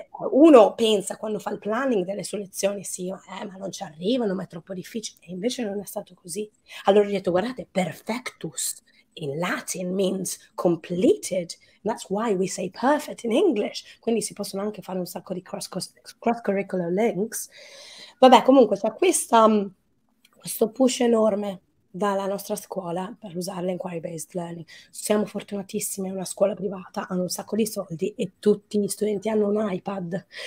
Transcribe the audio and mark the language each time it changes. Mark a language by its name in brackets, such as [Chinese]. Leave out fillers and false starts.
[Italian] Uno pensa quando fa il planning delle sue lezioni, sì, ma non ci arrivano, ma è troppo difficile, e invece non è stato così. Allora ho detto, guardate, [English] perfectus in Latin means completed, and that's why we say perfect in English. [Italian] Quindi si possono anche fare un sacco di cross-curricular links. Vabbè, comunque c'è questo push enorme dalla nostra scuola per usare l'inquiry-based learning. Siamo fortunatissimi, è una scuola privata, hanno un sacco di soldi e tutti gli studenti hanno un iPad.